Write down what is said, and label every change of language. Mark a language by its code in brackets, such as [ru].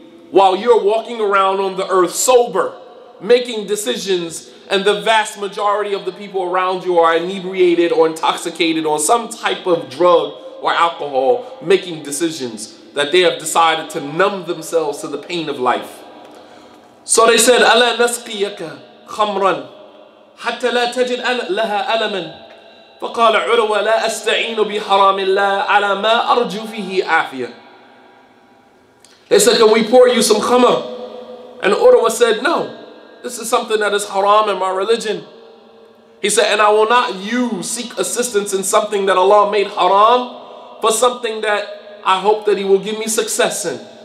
[en] While you're walking around on the earth sober, making decisions, and the vast majority of the people around you are inebriated or intoxicated on some type of drug or alcohol, making decisions that they have decided to numb themselves to the pain of life. So they said, [ar] أَلَا نَسْقِيَكَ خَمْرًا حَتَّى لَا تَجِدْ لَهَا أَلَمًا فَقَالَ عُرْوَ لَا أَسْتَعِينُ بِحَرَامِ اللَّهِ عَلَى مَا أَرْجُو فِيهِ عَافِيَةً. [en] They said, can we pour you some khamr? And Urwa said, no, this is something that is haram in my religion. He said, and I will not you seek assistance in something that Allah made haram, but something that I hope that He will give me success in.